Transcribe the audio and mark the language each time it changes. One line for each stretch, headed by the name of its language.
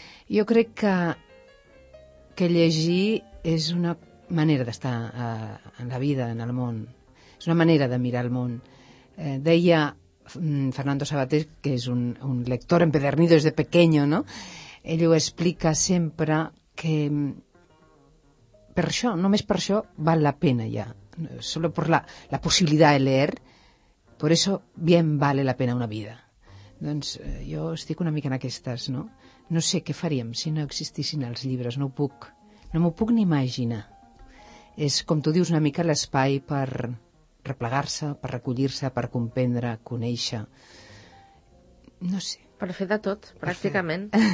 Catalan: Jo crec que llegir és una manera d'estar en la vida, en el món, és una manera de mirar el món. Deia Fernando Sabater, que és un lector
Spanish: empedernido des de pequeño,
Catalan: no?, ell ho explica sempre, que per això, només per això, val la pena ja.
Spanish: Solo por la possibilitat de leer, por eso bien vale la pena una vida.
Catalan: Doncs jo estic una mica en aquestes, no? No sé què faríem si no existissin els llibres, no ho puc. No m'ho puc ni imaginar. És, com tu dius, una mica l'espai per replegar-se, per recollir-se, per comprendre, conèixer. No sé. Per fer de tot, pràcticament.